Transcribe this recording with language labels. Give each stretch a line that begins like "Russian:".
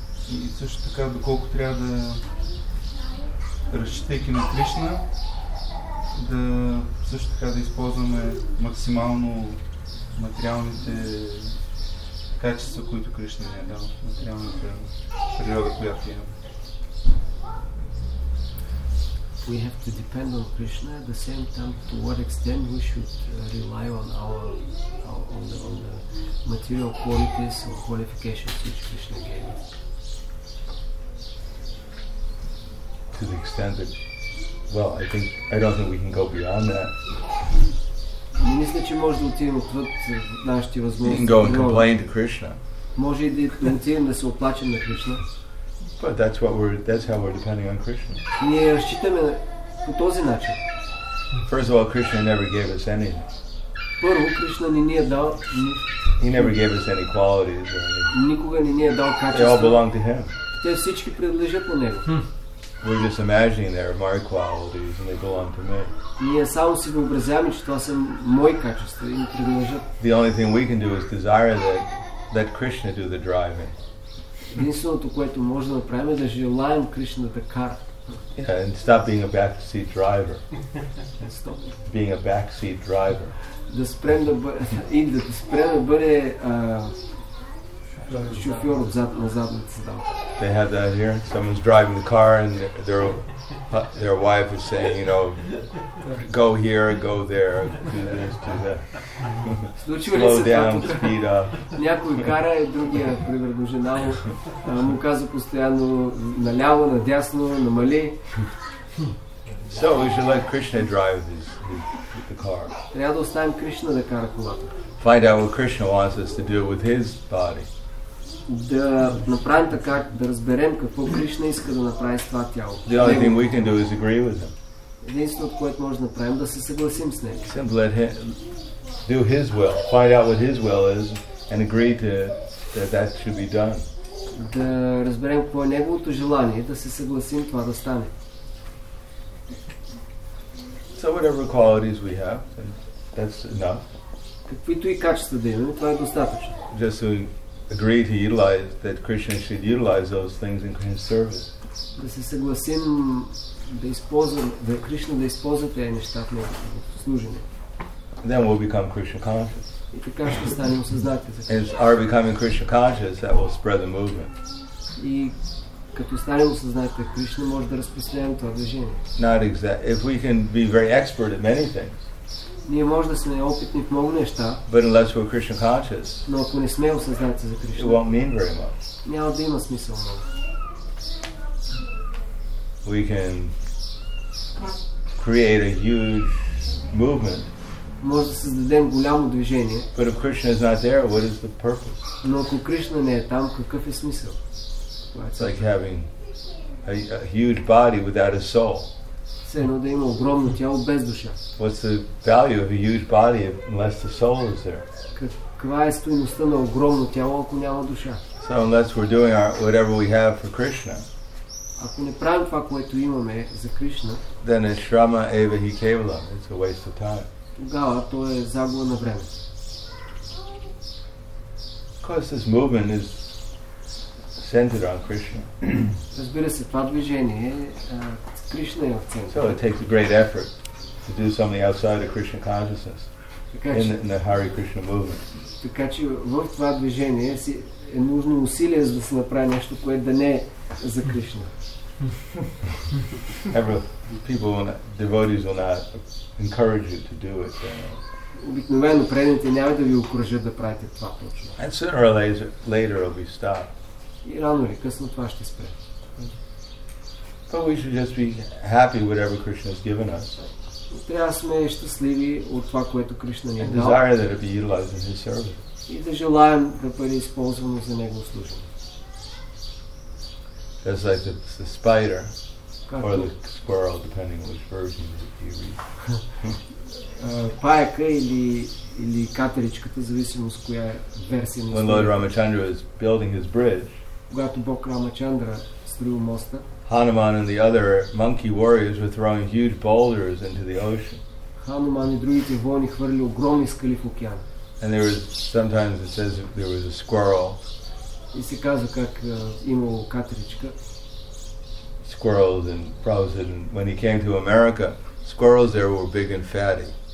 Bulgarian: И също така, доколко трябва да разчитайки на Кришна, да също така да използваме максимално материалните качества, които Кришна ни е дал, материалната природа, която имаме.
English: We have to depend on Krishna. At the same time, to what extent we should rely on the material qualities or qualifications which Krishna gave us? To the extent that, well, I don't think we can go beyond that.
Bulgarian: Мисля, че може да отидем отвъд нашите възможности.
English: We can go and complain to Krishna.
Bulgarian: Може да отидем да се оплачем на Кришна.
English: But that's how we're depending on Krishna.
Bulgarian: Ние разчитаме по този начин.
English: First of all, Krishna never gave us anything.
Bulgarian: Първо, Кришна не ни е дал.
English: He never gave us any qualities or anything.
Bulgarian: Никога не ни е дал качества.
English: They all belong to him.
Bulgarian: Те всички принадлежат на него.
English: We're just imagining they're my qualities and they belong to me.
Bulgarian: Ние само си въобразяваме, че това са мои качества и ни принадлежат.
English: The only thing we can do is desire that let Krishna do the driving.
Bulgarian: Единственото, което може да направим, е да желаем Кришна да кара.
English: Yeah, and stop being a backseat driver. Being a backseat driver.
Bulgarian: Да спрем да бъде, и да спрем да бъде шофьор отзад на задната седалка.
English: They have that here. Someone's driving the car and their wife is saying, you know, go here, go there, do this, do that. Slow down, speed up.
Bulgarian: Някой кара и другия, примерно жена му, му казва постоянно наляво, надясно, намали.
English: So we should let Krishna drive the car.
Bulgarian: Трябва да оставим Кришна да кара колата.
English: Find out what Krishna wants us to do with his body.
Bulgarian: Да направим така, да разберем какво Кришна иска да направи с това тяло.
English: The only thing we can do is agree with him.
Bulgarian: Единственото, което можем да направим, да се съгласим с него.
English: Simply let him do his will. Find out what his will is and agree to that that should be done.
Bulgarian: Да разберем какво е неговото желание, да се съгласим това да стане.
English: So whatever qualities we have, that's enough.
Bulgarian: Каквито и качества да имаме, това е достатъчно.
English: Just to agree to utilize that Krishna should utilize those things in his service.
Bulgarian: Да се съгласим да използваме, да Кришна да използва тези неща в неговото служение.
English: Then we'll become Krishna conscious.
Bulgarian: И така ще станем осъзнати.
English: As our becoming Krishna conscious, that will spread the movement.
Bulgarian: И като станем осъзнати, Кришна може да разпространим това движение.
English: Not exact. If we can be very expert at many things.
Bulgarian: Ние може да сме опитни в много неща.
English: But unless we're Krishna conscious.
Bulgarian: Но ако не сме осъзнати за Кришна.
English: It won't mean very much.
Bulgarian: Няма да има смисъл много.
English: We can create a huge movement.
Bulgarian: Може да създадем голямо движение.
English: But if Krishna is not there, what is the purpose?
Bulgarian: Но ако Кришна не е там, какъв е смисъл?
English: It's like having a huge body without a soul.
Bulgarian: Все едно да има огромно тяло без душа.
English: What's the value of a huge body unless the soul is there?
Bulgarian: Каква е стойността на огромно тяло, ако няма душа?
English: So unless we're doing whatever we have for Krishna.
Bulgarian: Ако не правим това, което имаме за Кришна,
English: then it's
Sanskrit: shrama eva hi kevala.
English: It's a waste of time.
Bulgarian: Тогава то е загуба на време.
English: Because this movement is centered on Krishna.
Bulgarian: Разбира се, това движение е Кришна е в центъра.
English: So it takes a great effort to do something outside of Krishna consciousness in the Hare Krishna movement.
Bulgarian: Така че в това движение е нужно усилие за да се направи нещо, което да не е за Кришна.
English: Devotees will not encourage you to do it.
Bulgarian: Обикновено предните няма да ви окуражат да правите това точно.
English: And sooner or later it'll be stopped.
Bulgarian: И рано или късно това ще спре.
English: But we should just be happy whatever Krishna has given us.
Bulgarian: Трябва да сме щастливи от това, което Кришна ни е дал.
English: And desire that it be utilized in His service.
Bulgarian: И да желаем да бъде използвано за Негово служение.
English: Just like the spider. Or the squirrel, depending on which version you read.
Bulgarian: Паяка или катеричката, зависимо с коя версия.
English: When Lord Ramachandra is building his bridge,
Bulgarian: когато Бог Рамачандра строил моста,
English: Hanuman and the other monkey warriors were throwing huge boulders into the ocean.
Bulgarian: Hanuman и другите воини хвърли огромни скали в океан.
English: And there was sometimes it says there was a squirrel.
Bulgarian: И се казва как имало катеричка.
English: Squirrels and frozen. When he came to America, squirrels there were big and fatty.